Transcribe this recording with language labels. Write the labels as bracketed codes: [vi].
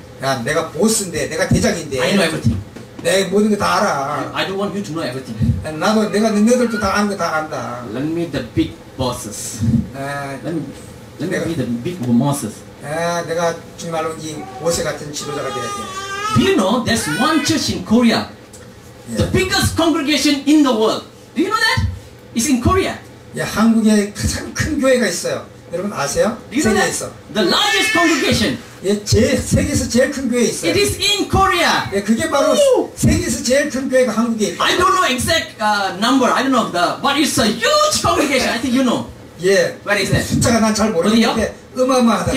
[ko] 야, 내가 보스인데, 내가 대장인데. [en] I know everything. [ko] 내 모든 거 다 알아. [en] I don't want you to know everything. [ko] 나도 내가 너희들도 다 아는 거 다 안다. [en] Let me the big bosses. [ko] 내가 [en] be the big bosses. [ko] 내가 정말로 이 보스 같은 지도자가 돼야 돼. [en] Do you know there's one church in Korea? Yeah. The biggest congregation in the world. Do you know that? It's in Korea. [ko] 야, 한국에 가장 큰 교회가 있어요. 여러분 아세요? 세계에서. [en] The largest congregation. [ko] 예, 제 세계에서 제일 큰 교회 있어요. [en] It is in Korea. [ko] 예, 그게 바로 세계에서 제일 큰 교회가 한국에 있어요. [en] I don't know exact number. I don't know the but it's a huge congregation. I think you know. [ko] 예. [en] Where is it? [ko] 숫자가 난 잘 모르는데 어마어마하다.